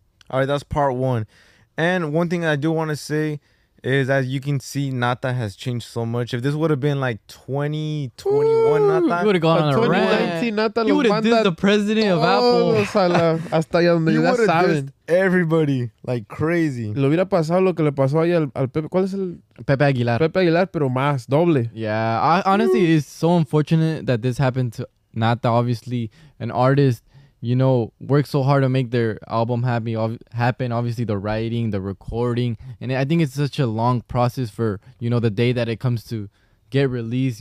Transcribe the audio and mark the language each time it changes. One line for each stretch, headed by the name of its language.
English: All right, that's part one. And one thing I do want to say is, as you can see, Nata has changed so much. If this would have been like 2021, Nata, he would have gone on a rant. Nata, he would have dissed the president of Apple.
Spanish: Sala, hasta ya donde
English: he would have dissed everybody like crazy.
Spanish: Lo hubiera pasado lo que le pasó ahí al Pepe. ¿Cuál es el? Pepe Aguilar. Pepe Aguilar, pero más, doble.
English: Yeah, honestly, it's so unfortunate that this happened to Nata. Obviously, an artist, you know, work so hard to make their album happen. Obviously, the writing, the recording. And I think it's such a long process for, you know, the day that it comes to get released.